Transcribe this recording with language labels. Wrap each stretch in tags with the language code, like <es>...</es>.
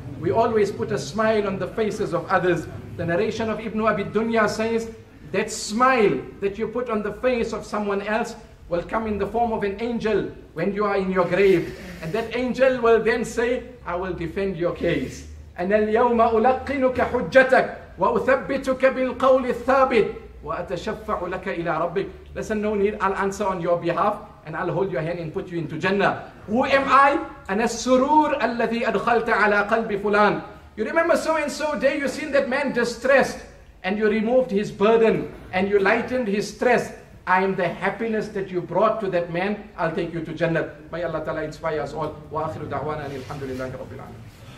<en>We always put a smile on the faces of others. The narration of Ibn Abi Dunya says, that smile that you put on the face of someone else will come in the form of an angel when you are in your grave. And that angel will then say, I will defend your case.</en> <ar>And الْيَوْمَ أُلَقِّنُكَ حُجَّتَكَ وَأُثَبِّتُكَ بِالْقَوْلِ الثَّابِتِ وَأَتَشَفَّعُ لَكَ إِلَىٰ رَبِّكَ.</ar> <en>Listen, no need, I'll answer on your behalf and I'll hold your hand and put you into Jannah. Who am I?</en> <ar>أنا السرور الذي أدخلت على قلب فلان.</ar> <en>You remember so and so day you seen that man distressed. And you removed his burden and you lightened his stress. I am the happiness that you brought to that man. I'll take you to Jannah. May Allah Ta'ala inspire us all. Wa akhiru da'wana alhamdulillahi rabbil alamin.</en>